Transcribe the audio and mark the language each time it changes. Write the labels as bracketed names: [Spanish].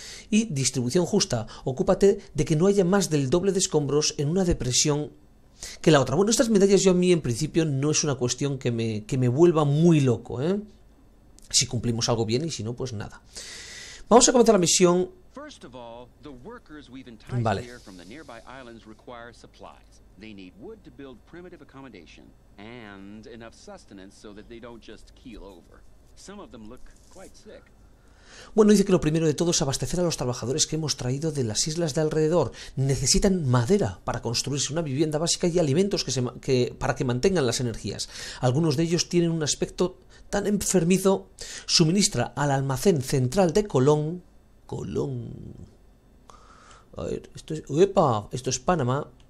[Spanish] Y distribución justa. Ocúpate de que no haya más del doble de escombros en una depresión que la otra. Bueno, estas medallas yo a mí en principio no es una cuestión que me vuelva muy loco, ¿eh? Si cumplimos algo bien y si no, pues nada. Vamos a comenzar la misión. [English] First of all, the workers we've enticed [Spanish] Vale. [English] here from the nearby islands require supplies. They need wood to build primitive accommodation and enough sustenance so that they don't just keel over. Some of them look quite sick. [Spanish] Bueno, dice que lo primero de todo es abastecer a los trabajadores que hemos traído de las islas de alrededor. Necesitan madera para construirse una vivienda básica y alimentos para que mantengan las energías. Algunos de ellos tienen un aspecto tan enfermizo. Suministra al almacén central de Colón. Colón. A ver, esto es. ¡Epa! Esto es Panamá.